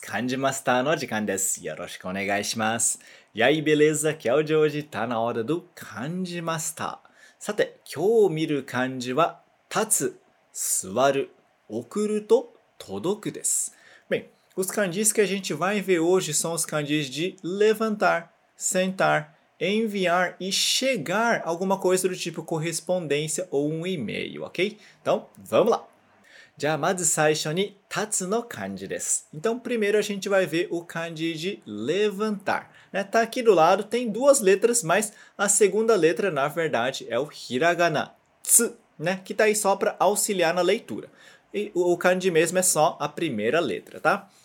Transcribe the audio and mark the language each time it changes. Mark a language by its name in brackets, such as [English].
[Japanese] 漢字マスターの時間です。よろしくお願いします。 [Portuguese] やい、beleza! [Japanese] 今日ジョージ、たなわだど、漢字マスター。さて、今日見る漢字は、立つ、座る、送ると、届くです。 [Portuguese] Bem, os kanjis que a gente vai ver hoje são os kanjis de levantar, sentar, enviar e chegar alguma coisa do tipo correspondência ou e-mail, ok? Então, vamos lá! [Japanese] じゃあまず最初に立つの漢字です。 [Portuguese] Então, primeiro a gente vai ver o kanji de levantar. Tá aqui do lado, tem duas letras, mas a segunda letra, na verdade, é o hiragana, tsu, né? Que tá aí só para auxiliar na leitura. E o kanji mesmo é só a primeira letra, tá?